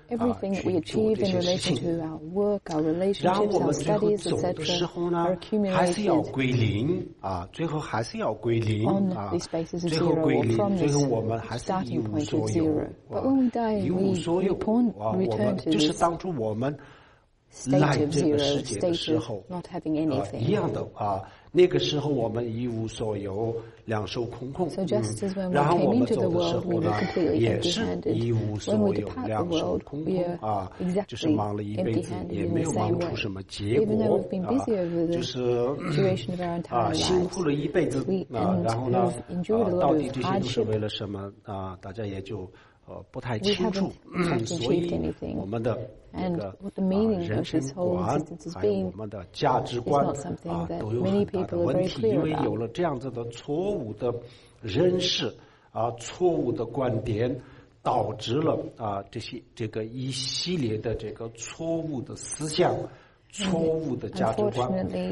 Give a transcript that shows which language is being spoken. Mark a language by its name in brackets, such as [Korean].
[English] everything we achieve in relation to our work, our relationships, our studies, etc., are accumulated. On this basis of zero, or from this starting point of zero. But when we die, we return to this state of zero, state of not having anything. [Chinese] 那个时候我们一无所有，两手空空。 [English] So just as when we came into the world, we were completely empty-handed. When we depart the world, we are exactly empty-handed in the same way. Even though we've been busy over the duration of our entire lives, we have endured a lot of hardship. [Chinese] 不太清楚，所以我们的这个人生观还有我们的价值观都有很大的问题，因为有了这样子的错误的认识啊，错误的观点，导致了啊这个一系列的这个错误的思想、错误的价值观